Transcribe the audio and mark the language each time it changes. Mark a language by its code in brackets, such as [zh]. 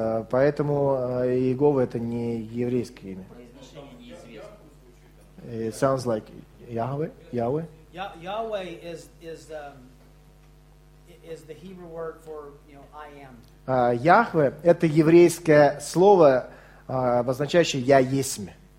[ru] Поэтому Иегова это не еврейское имя. [en] It sounds like Yahweh. Yahweh. Yahweh is the Hebrew word for, you know, I am. [ru] Яхве это еврейское слово, обозначающее я есмь.